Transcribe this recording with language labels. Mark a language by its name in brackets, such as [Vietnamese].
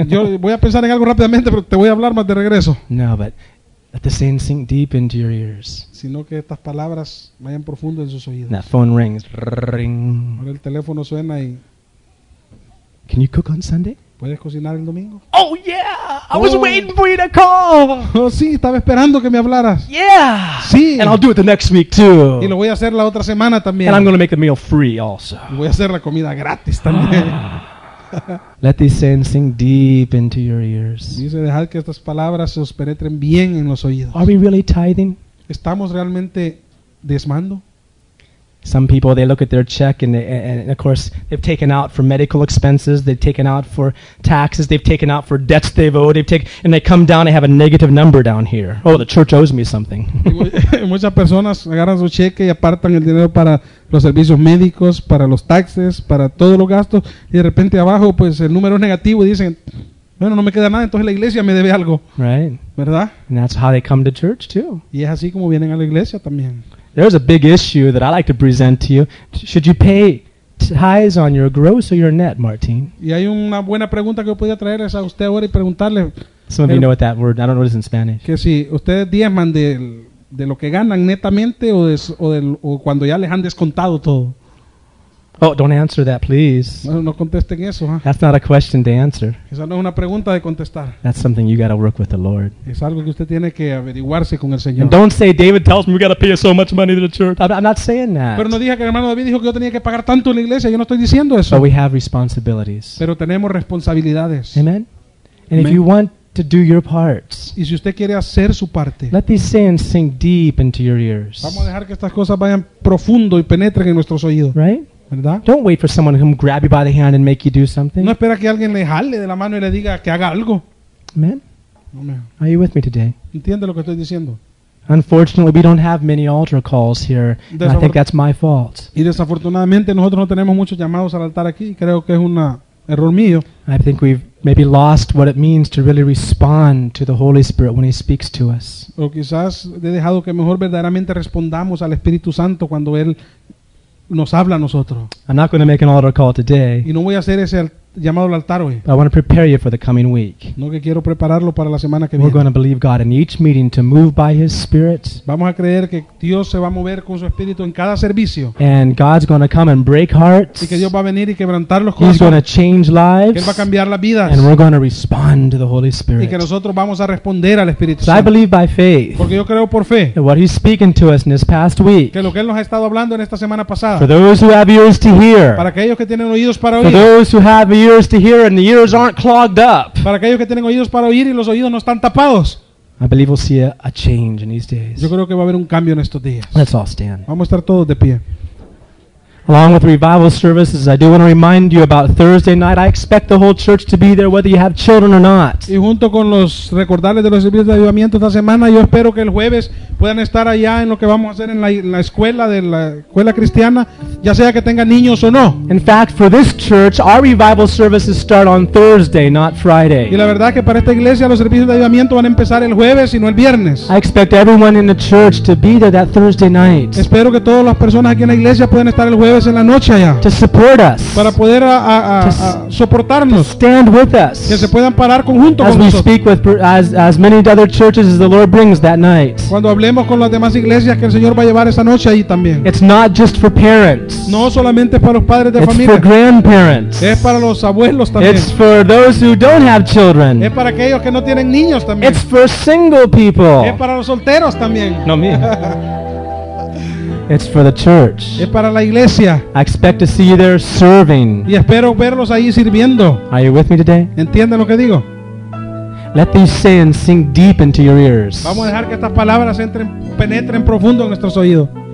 [Spanish] Yo voy a pensar en algo rápidamente, pero te voy a hablar más de regreso. [English] No, but let the saying sink deep into your ears. [Spanish] Sino que estas palabras vayan profundo en sus oídos. [English] That phone rings. Ring. [Spanish] Ahora el teléfono suena y. [English] Can you cook on Sunday? [Spanish] ¿Puedes cocinar el domingo? [English] Oh yeah, I was waiting for you to call. [Spanish] Oh sí, estaba esperando que me hablaras. [English] Yeah. [Spanish] Sí. [English] And I'll do it the next week too. [Spanish] Y lo voy a hacer la otra semana también. [English] And I'm going to make the meal free also. [Spanish] Y voy a hacer la comida gratis también. [English] Let these sayings sink deep into your ears. [Spanish] Dice, dejad que estas palabras os penetren bien en los oídos. [English] Are we really tithing? [Spanish] ¿Estamos realmente diezmando? [English] Some people, they look at their check and of course, they've taken out for medical expenses, they've taken out for taxes, they've taken out for debts they've owed, and they come down and have a negative number down here. Oh, the church owes me something. [Spanish] Muchas personas agarran su cheque y apartan el dinero para los servicios médicos, para los taxes, para todos los gastos, y de repente abajo, pues, el número es negativo y dicen, bueno, no me queda nada, entonces la iglesia me debe algo. [English] Right. [Spanish] ¿Verdad? [English] And that's how they come to church, too. [Spanish] Y es así como vienen a la iglesia también. [English] There's a big issue that I like to present to you. Should you pay tithes on your gross or your net, Martin? [Spanish] Y hay una buena pregunta que yo podía traerles a usted ahora y preguntarle. [English] Some of you know what that word. I don't know what it's in Spanish. [Spanish] Que si ustedes diezman de lo que ganan netamente o cuando ya les han descontado todo. [English] Oh, don't answer that, please. [Spanish] No contesten eso, huh? [English] That's not a question to answer. [Spanish] Esa no es una pregunta de contestar. [English] That's something you got to work with the Lord. [Spanish] Es algo que usted tiene que averiguarse con el Señor. [English] And don't say David tells me we got to pay so much money to the church. I'm not saying that. [Spanish] Pero no diga que el hermano David dijo que yo tenía que pagar tanto en la iglesia. Yo no estoy diciendo eso. [English] But we have responsibilities. [Spanish] Pero tenemos responsabilidades. [English] Amen. And if you want to do your part, [Spanish] y si usted quiere hacer su parte, [English] let these sayings sink deep into your ears. [Spanish] Vamos a dejar que estas cosas vayan profundo y penetren en nuestros oídos. [English] Right. Don't wait for someone to come grab you by the hand and make you do something. [Spanish] No espera que alguien le jale de la mano y le diga que haga algo. [English] Amen. Amen. Are you with me today? [Spanish] ¿Entiende lo que estoy diciendo? [English] Unfortunately, we don't have many altar calls here. And I think that's my fault. [Spanish] Y desafortunadamente nosotros no tenemos muchos llamados al altar aquí. Creo que es un error mío. [English] I think we've maybe lost what it means to really respond to the Holy Spirit when He speaks to us. [Spanish] O quizás he dejado que mejor verdaderamente respondamos al Espíritu Santo cuando él nos habla a nosotros. [English] I'm not going to make an altar call today. [Spanish] Y no voy a hacer ese llamado al altar hoy. [English] But I want to prepare you for the coming week. [Spanish] No que quiero prepararlo para la semana que viene. [English] We're going to believe God in each meeting to move by His Spirit. [Spanish] Vamos a creer que Dios se va a mover con su Espíritu en cada servicio. [English] And God's going to come and break hearts. [Spanish] Y que Dios va a venir y quebrantar los corazones. [English] He's going to change lives. [Spanish] Él va a cambiar las vidas. [English] And we're going to respond to the Holy Spirit. [Spanish] Y que nosotros vamos a responder al Espíritu [English] Santo. So I believe by faith. [Spanish] Porque yo creo por fe. [English] That what He's speaking to us in this past week. [Spanish] Que lo que él nos ha estado hablando en esta semana pasada. [English] For those who have ears to hear. [Spanish] Para aquellos que tienen oídos para oír. [English] For those who have ears to hear and the ears aren't clogged up. [Spanish] Para aquellos que tienen oídos para oír y los oídos no están tapados. [English] I believe we'll see a change in these days. [Spanish] Yo creo que va a haber un cambio en estos días. [English] Let's all stand. [Spanish] Vamos a estar todos de pie. [English] Along with revival services, I do want to remind you about Thursday night. I expect the whole church to be there, whether you have children or not. [Spanish] Y junto con los recordarles de los servicios de avivamiento esta semana, yo espero que el jueves puedan estar allá en lo que vamos a hacer en la escuela de la escuela cristiana, ya sea que tengan niños o no. [English] In fact, for this church, our revival services start on Thursday, not Friday. [Spanish] Y la verdad es que para esta iglesia los servicios de avivamiento van a empezar el jueves y no el viernes. [English] I expect everyone in the church to be there that Thursday night. [Spanish] Espero que todas las personas aquí en la iglesia puedan estar el jueves en la noche allá. [English] To support us. [Spanish] Para poder soportarnos. [English] To stand with us. [Spanish] Que se puedan parar conjunto [English] as [Spanish] con [English] we [Spanish] nosotros. [English] Speak with as many other churches as the Lord brings that night. [Spanish] Cuando hablemos con las demás iglesias que el Señor va a llevar esa noche allí también. [English] It's not just for parents. [Spanish] No solamente para los padres de [English] It's [Spanish] familia. [English] It's for grandparents. [Spanish] Es para los abuelos también. [English] It's for those who don't have children. [Spanish] Es para aquellos que no tienen niños también. [English] It's for single people. [Spanish] Es para los solteros también. No me. [English] It's for the church. [Spanish] Es para la iglesia. [English] I expect to see you there serving. [Spanish] Y espero verlos ahí sirviendo. [English] Are you with me today? [Spanish] ¿Entienden lo que digo? [English] Let these sayings sink deep into your ears. [Spanish] Vamos a dejar que estas palabras penetren profundo en nuestros oídos.